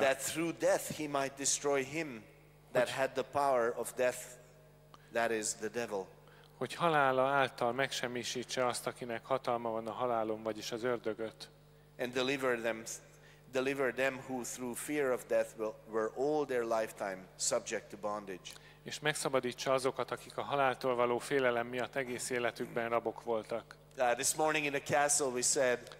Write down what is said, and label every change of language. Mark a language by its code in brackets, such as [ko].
[en] that through death he might destroy him that had the power of death, that is the devil. [hu] Hogy halála által megsemmisítse azt, akinek hatalma van a halálon, vagyis az ördögöt. [en] And deliver them who through fear of death were all their lifetime subject to bondage. [hu] És megszabadítsa azokat, akik a haláltól való félelem miatt egész életükben rabok voltak. [en] This morning in the castle we said,